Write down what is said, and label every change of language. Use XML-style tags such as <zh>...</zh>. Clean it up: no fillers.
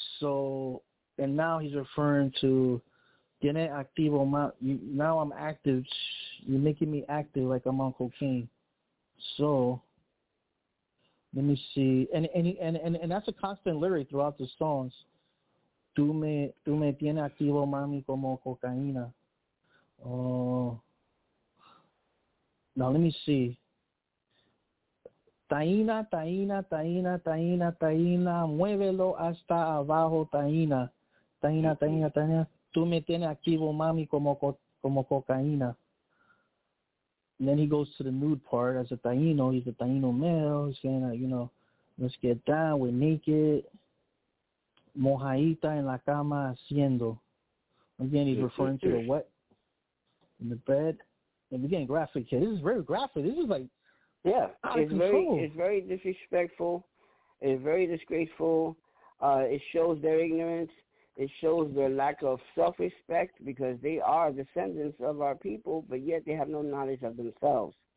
<en>So, and now he's referring to</en> <es>Tiene activo.</es> <en>Now I'm active. You're making me active like I'm on cocaine. So let me see. And that's a constant lyric throughout the songs.</en> <es>Tú me tienes activo, mami, como cocaína.</es> <en>Now let me see. Taína, taína, taína, taína, taína.</en> <es>Muévelo hasta abajo, taína. Taína, taína, taína. Tú me tienes activo, mami, como cocaína.</es> <en>And then he goes to the nude part as a taíno. He's a taíno male. He's saying, you know, let's get down. We're naked.</en> <es>Mojaita en la cama haciendo.</es> <en>Again, he's referring to the wet in the bed. And again, graphic. This is very graphic. This is like, yeah, it's very disrespectful. It's very disgraceful. It shows their ignorance. It shows their lack of self-respect because they are descendants of our people, but yet they have no knowledge of themselves.</en>